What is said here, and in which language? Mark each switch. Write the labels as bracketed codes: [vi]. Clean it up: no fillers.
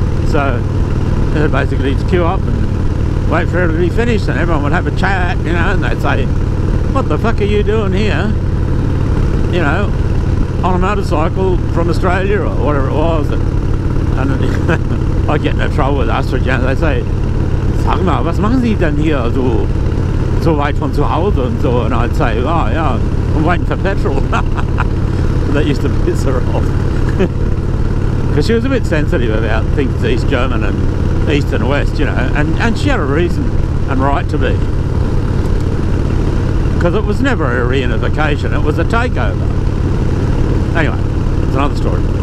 [en] So they'd basically just queue up and wait for everybody to be finished, and everyone would have a chat, you know, and they'd say, what the fuck are you doing here, you know, on a motorcycle from Australia or whatever it was, and I'd get into trouble with Astra, you know, they'd say, [de] sag mal, was machen Sie denn hier so, so weit von zu Hause und so? [en] And I'd say, oh yeah, I'm waiting for petrol. That used to piss her off. Because she was a bit sensitive about things East German and East and West, you know. And she had a reason and right to be. Because it was never a reunification, it was a takeover. Anyway, it's another story.